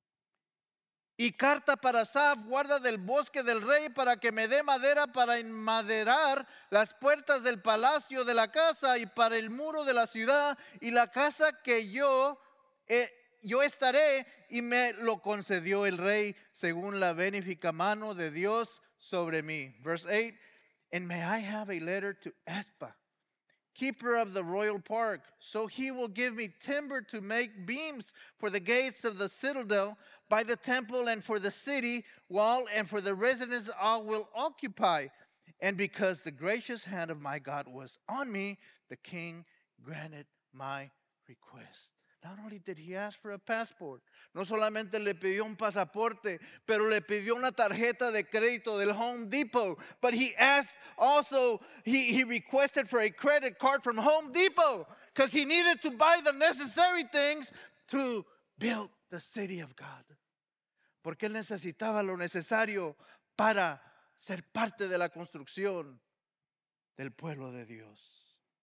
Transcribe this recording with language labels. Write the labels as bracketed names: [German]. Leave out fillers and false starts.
[English] Verse 8. [Spanish] Y carta para Asaf, guarda del bosque del rey, para que me dé madera para enmaderar las puertas del palacio de la casa y para el muro de la ciudad y la casa que yo estaré. Y me lo concedió el rey según la benéfica mano de Dios sobre mí. [English] Verse 8. And may I have a letter to Espa, keeper of the royal park, so he will give me timber to make beams for the gates of the citadel by the temple and for the city wall and for the residents I will occupy. And because the gracious hand of my God was on me, the king granted my request. Not only did he ask for a passport, [Spanish] no solamente le pidió un pasaporte, pero le pidió una tarjeta de crédito del Home Depot. [English] But he asked also, he requested for a credit card from Home Depot because he needed to buy the necessary things to build the city of God. [Spanish] Porque él necesitaba lo necesario para ser parte de la construcción del pueblo de Dios.